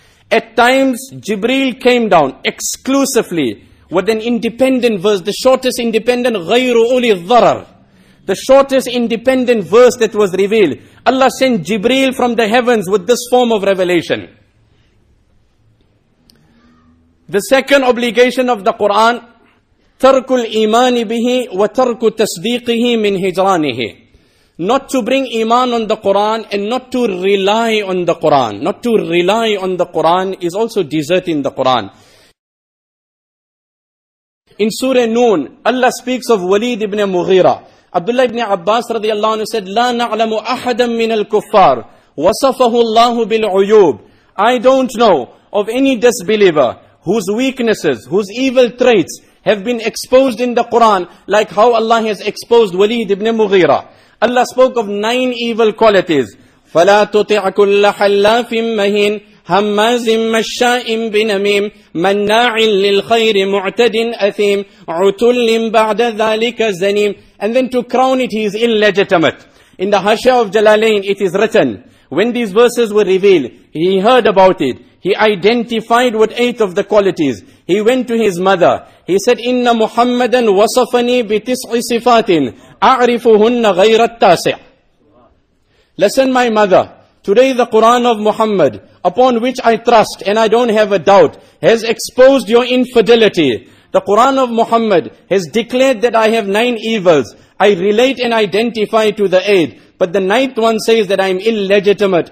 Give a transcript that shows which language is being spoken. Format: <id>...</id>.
<en>At times, Jibreel came down exclusively with an independent verse, the shortest independent,</en> <ar>غَيْرُ أُولِي الضَّرَرِ.</ar> <en>The shortest independent verse that was revealed. Allah sent Jibreel from the heavens with this form of revelation. The second obligation of the Quran,</en> <ar>تَرْكُ الْإِيمَانِ بِهِ وَتَرْكُ تَصْدِيقِهِ مِنْ هِجْرَانِهِ.</ar> <en>Not to bring iman on the Quran and not to rely on the Quran. Not to rely on the Quran is also deserting the Quran. In Surah Noon, Allah speaks of Walid ibn Mughira.</en> <ar>Abdullah ibn Abbas radiallahu anhu said, لَا نَعْلَمُ أَحَدًا مِنَ الْكُفَّارِ وَصَفَهُ اللَّهُ بِالْعُيُوبِ.</ar> <en>I don't know of any disbeliever whose weaknesses, whose evil traits have been exposed in the Quran like how Allah has exposed Walid ibn Mughira. Allah spoke of nine evil qualities.</en> <ar>فلا تطع كل حلاف مهين هماز مشاء بنميم مناع للخير معتد أثيم عتل بعد ذلك زنيم.</ar> <en>And then to crown it, he is illegitimate. In the Hasha of Jalalain, it is written, when these verses were revealed, he heard about it. He identified what 8 of the qualities. He went to his mother.</en> <ar>He said, إِنَّ مُحَمَّدًا وَصَفَنِي بِتِسْعِ صِفَاتٍ أَعْرِفُهُنَّ غَيْرَ التَّاسِعِ.</ar> <en>Listen, my mother, today the Quran of Muhammad, upon which I trust and I don't have a doubt, has exposed your infidelity. The Quran of Muhammad has declared that I have 9 evils. I relate and identify to the 8. But the 9th one says that I am illegitimate.</en>